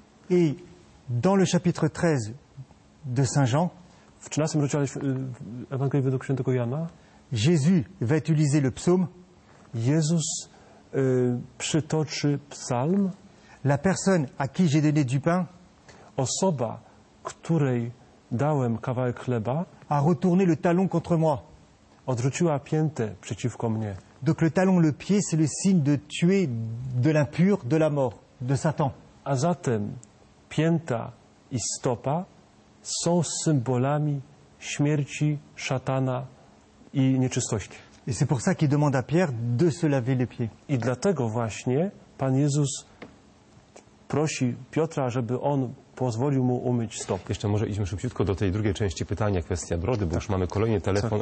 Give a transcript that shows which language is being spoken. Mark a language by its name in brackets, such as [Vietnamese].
[French] I dans le chapitre 13 de Saint Jean, [Polish] w 13 rozdziale Ewangelii według świętego Jana, [French] Jésus va utiliser le psaume. [Polish] Jezus przytoczy psalm. [French] La personne à qui j'ai donné du pain, [Polish] osoba, której dałem kawałek chleba, [French] a retourné le talon contre moi. [Polish] Odrzuciła piętę przeciwko mnie. [French] Donc le talon, le pied, c'est le signe de tuer de l'impur, de la mort, de Satan. [Polish] A zatem pięta i stopa są symbolami śmierci, szatana i nieczystości. [French] Et c'est pour ça qu'il demande à Pierre de se laver les pieds. [Polish] I dlatego właśnie Pan Jezus prosi Piotra, żeby on pozwolił mu umyć stopy. Jeszcze może idźmy szybciutko do tej drugiej części pytania, kwestia brody, bo tak. Już mamy kolejny telefon tak.